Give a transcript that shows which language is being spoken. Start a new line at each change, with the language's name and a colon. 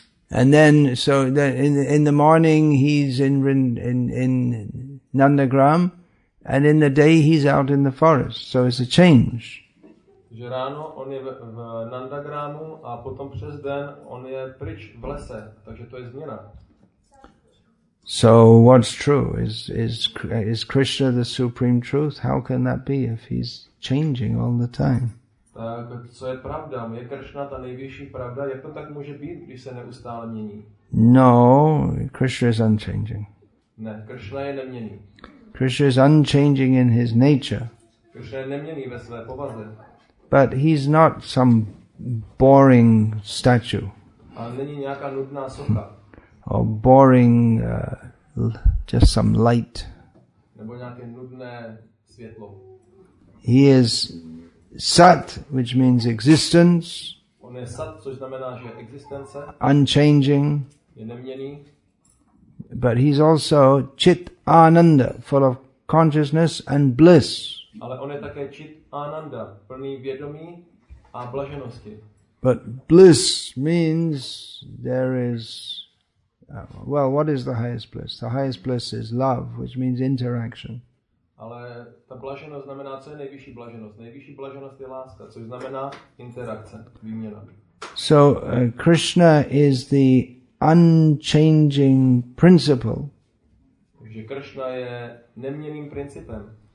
English: And then so in the morning he's in Nandagram and in the day he's out in the forest. So it's a change.
Czech: Že ráno on je v Nandagramu a potom přes den on je pryč v lese. Takže to je změna.
English: So what's true is Krishna the supreme truth? How can that be if he's changing all the time?
Czech: Tak co je pravda? Je Krishna ta nejvyšší pravda? Jak to tak může být, když se neustále mění?
English: No, Krishna is unchanging.
Czech: Ne, Krishna je neměný.
English: Krishna is unchanging in his nature.
Czech: Krishna je neměný ve své povaze.
English: But he's not some boring statue.
Czech: A není nějaká nudná socha.
English: Or boring, just some light.
Czech: Nebo nějaké nudné světlo.
English: He is Sat, which means existence.
Czech: On je Sat, což znamená, že existence.
English: Unchanging.
Czech: Je neměný.
English: But he's also Chit Ananda, full of consciousness and bliss.
Czech: Ale on je také Chit Ananda, plný vědomí a blaženosti.
English: But bliss means there is what is the highest bliss? The highest bliss is love, which means interaction.
Czech: Ale ta blaženost znamená, co je nejvyšší blaženost? Nejvyšší blaženost je láska, což znamená interakce, výměna.
English: So Krishna is the unchanging principle.
Czech: Takže Krishna je neměným principem.